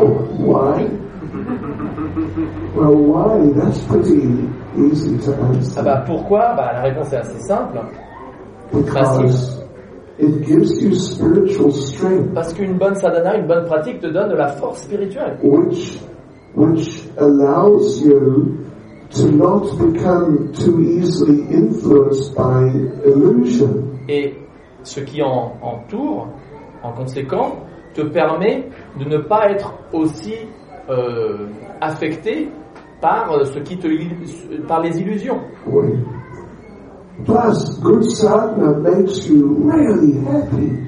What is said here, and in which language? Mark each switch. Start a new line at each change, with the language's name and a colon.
English: Oh, why? Well, why? That's pretty easy to answer.
French: Ah bah pourquoi? Bah la réponse est assez simple. Because it gives you spiritual strength. Parce qu'une bonne sadhana, une bonne pratique te donne de la force spirituelle. Which allows you to not become too easily influenced by illusion. Et ce qui en entoure, en conséquent, te permet de ne pas être aussi affecté par ce qui te par les illusions.
English: Oui. Plus, good sadhana makes you really happy.